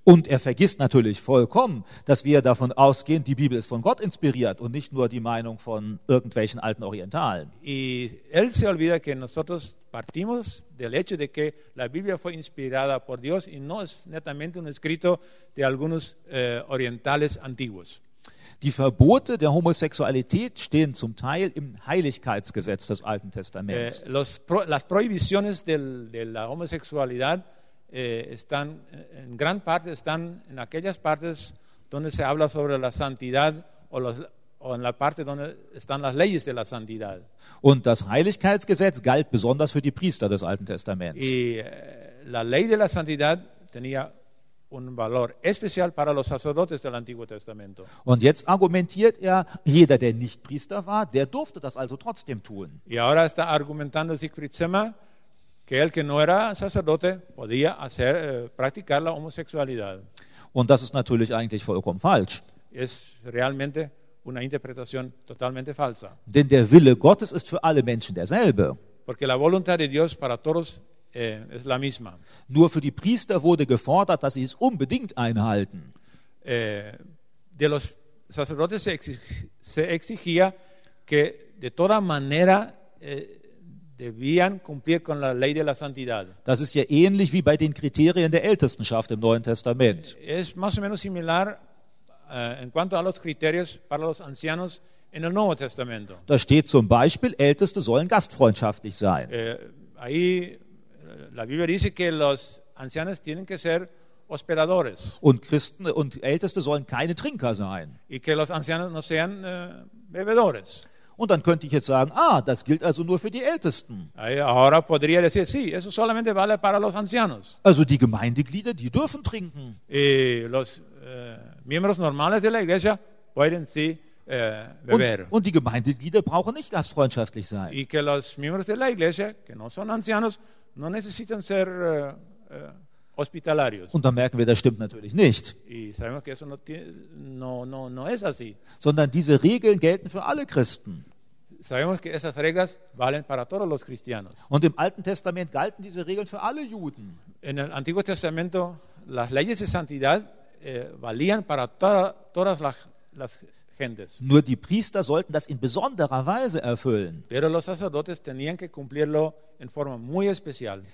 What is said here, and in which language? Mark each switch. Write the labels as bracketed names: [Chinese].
[German] Und vergisst natürlich vollkommen, dass wir davon ausgehen, die Bibel ist von Gott inspiriert und nicht nur die Meinung von irgendwelchen alten Orientalen. [Spanish] Y él se olvida que nosotros partimos del hecho de que la Biblia fue inspirada por Dios y no es netamente un escrito de algunos orientales antiguos. [German] Die Verbote der Homosexualität stehen zum Teil im Heiligkeitsgesetz des Alten Testaments. [Spanish] Las prohibiciones de la homosexualidad están en gran parte están en aquellas partes donde se habla sobre la santidad o en la parte donde están las leyes de la santidad. [German] Und das Heiligkeitsgesetz galt besonders für die Priester des Alten Testaments. [Spanish] Y la ley de la santidad tenía un valor especial para los sacerdotes del Antiguo Testamento. [German] Und jetzt argumentiert jeder, der nicht Priester war, der durfte das also trotzdem tun. [Spanish] Y ahora está argumentando Siegfried Zimmer que el que no era sacerdote podía practicar la homosexualidad. [German] Und das ist natürlich eigentlich vollkommen falsch. [Spanish] Es realmente una interpretación totalmente falsa. [German] Denn der Wille Gottes ist für alle Menschen derselbe. [Spanish] Porque la voluntad de Dios para todos es la misma. [German] Nur für die Priester wurde gefordert, dass sie es unbedingt einhalten. [Spanish] De los sacerdotes se exigía que de toda manera debían cumplir con la ley de la santidad. [German] Das ist ja ähnlich wie bei den Kriterien der Ältestenschaft im Neuen Testament. [Spanish] Es más o menos similar en cuanto a los criterios para los ancianos en el Nuevo Testamento. [German] Da steht zum Beispiel, Älteste sollen gastfreundschaftlich sein. [Spanish] Ahí la Biblia dice que los ancianos tienen que ser hospedadores. [German] Und Christen und Älteste sollen keine Trinker sein. [Spanish] Y que los ancianos no sean bebedores. [German] Und dann könnte ich jetzt sagen, das gilt also nur für die Ältesten. [Spanish] Ahora podría decir, sí, eso solamente vale para los ancianos. [German] Also die Gemeindeglieder, die dürfen trinken. [Spanish] Y los miembros normales de la iglesia pueden sí beber. [German] Und die Gemeindeglieder brauchen nicht gastfreundschaftlich sein. [Spanish] Y que los miembros de la iglesia, que no son ancianos, no necesitan ser hospitalarios. [German] Und dann merken wir, das stimmt natürlich nicht. [Spanish] Y sabemos que eso no es así. [German] Sondern diese Regeln gelten für alle Christen. [Spanish] Sabemos que esas reglas valen para todos los cristianos. [German] Und im Alten Testament galten diese Regeln für alle Juden. [Spanish] En el Antiguo Testamento, las leyes de santidad valían para todas las gentes. [German] Nur die Priester sollten das in besonderer Weise erfüllen. [Spanish] Pero los sacerdotes tenían que cumplirlo en forma muy especial.